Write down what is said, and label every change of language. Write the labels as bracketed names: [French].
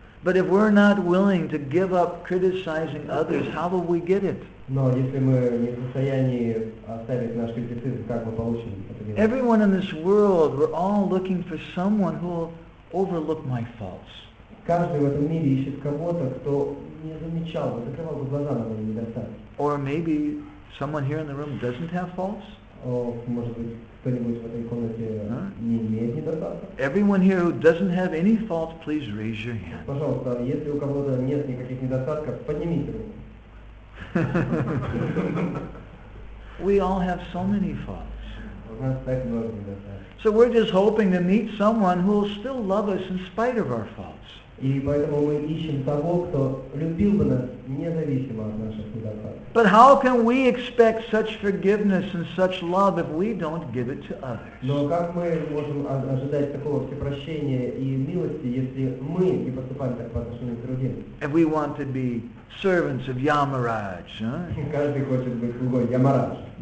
[English] But if we're not willing to give up criticizing others, how will we get it? [Russian] Но если мы не в состоянии оставить наш критицизм, как мы получим это милость? [English] Everyone in this world, we're all looking for someone who will overlook my faults. [Russian] Каждый в этом мире ищет кого-то, кто не замечал бы, закрывал бы глаза на мои недостатки. [English] Or maybe someone here in the room doesn't have faults? [Russian] Может быть, кто-нибудь в этой комнате не имеет недостатков? [English] Everyone here who doesn't have any faults, please raise your hand. [Russian] Пожалуйста, если у кого-то нет никаких недостатков, поднимите руку. [English] We all have so many faults. [Russian] У нас так много недостатков. [English] So we're just hoping to meet someone who will still love us in spite of our faults. [Russian] И поэтому мы ищем того, кто любил бы нас, независимо от наших недостатков. [English] But how can we expect such forgiveness and such love if we don't give it to others? [Russian] Но как мы можем ожидать такого всепрощения и милости, если мы не поступаем так по отношению к другим? [English] If we want to be servants of Yamaraj, [Russian] каждый хочет быть слугой Ямарадж.